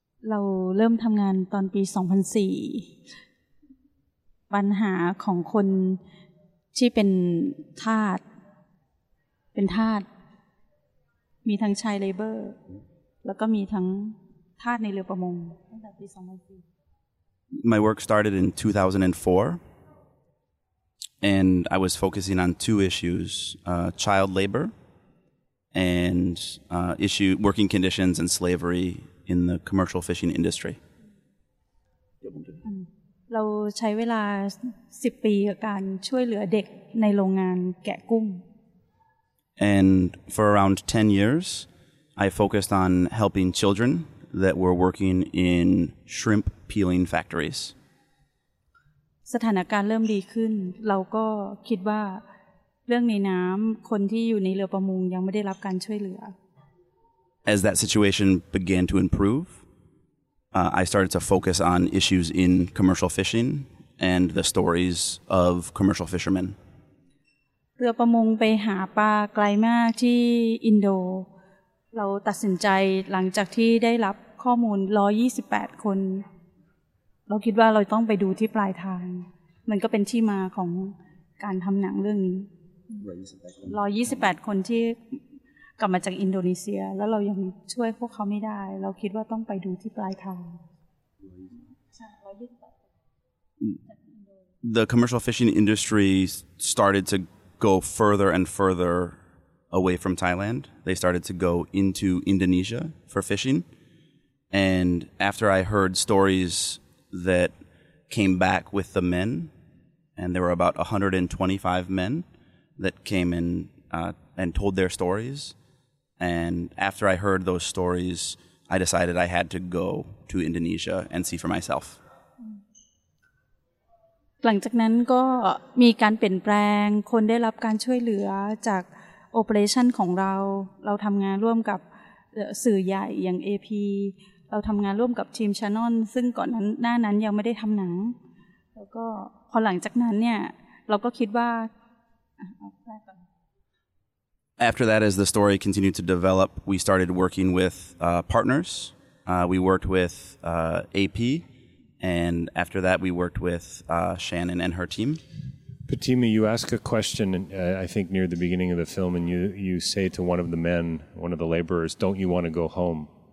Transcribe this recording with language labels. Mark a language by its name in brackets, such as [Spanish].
[Thai] เราเริ่มทำงานตอนปี2004ปัญหาของคนที่เป็นทาสมีทั้งชายเลเบอร์แล้วก็มีทั้งทาสในเรือประมงตั้งแต่ปี2004 [English] My work started in 2004 and I was focusing on two issues child labor and issue working conditions and slaveryin the commercial fishing industry. [Thai] เราใช้เวลา10ปีกับการช่วยเหลือเด็กในโรงงานแกะกุ้ง [English] And for around 10 years, I focused on helping children that were working in shrimp peeling factories. [Thai] สถานการณ์เริ่มดีขึ้นเราก็คิดว่าเรื่องในน้ำคนที่อยู่ในเรือประมงยังไม่ได้รับการช่วยเหลือ [English] As that situation began to improve, I started to focus on issues in commercial fishing and the stories of commercial fishermen. [Thai] เรือประมงไปหาปลาไกลมากที่อินโดเราตัดสินใจหลังจากที่ได้รับข้อมูล128คนเราคิดว่าเราต้องไปดูที่ปลายทางมันก็เป็นที่มาของการทำหนังเรื่องนี้128คนที่กลับมาจากอินโดนีเซียแล้วเรายังช่วยพวกเขาไม่ได้เราคิดว่าต้องไปดูที่ปลายทาง [English] The commercial fishing industry started to go further and further away from Thailand. They started to go into Indonesia for fishing. And after I heard stories that came back with the men, and there were about 125 men that came in and told their stories,And after I heard those stories, I decided I had to go to Indonesia and see for myself. [Thai] หลังจากนั้นก็มีการเปลี่ยนแปลงคนได้รับการช่วยเหลือจากโอเปอเรชั่นของเราเราทำงานร่วมกับสื่อใหญ่อย่าง AP เราทำงานร่วมกับทีม Channel ซึ่งก่อนนั้นหน้านั้นยังไม่ได้ทำหนังแล้วก็พอหลังจากนั้นเนี่ยเราก็คิดว่า [English] After that, as the story continued to develop, we started working with partners. We worked with AP, and after that, we worked with Shannon and her team. Fatima, you ask a question, I think, near the beginning of the film, and you say to one of the men, one of the laborers, don't you want to go home?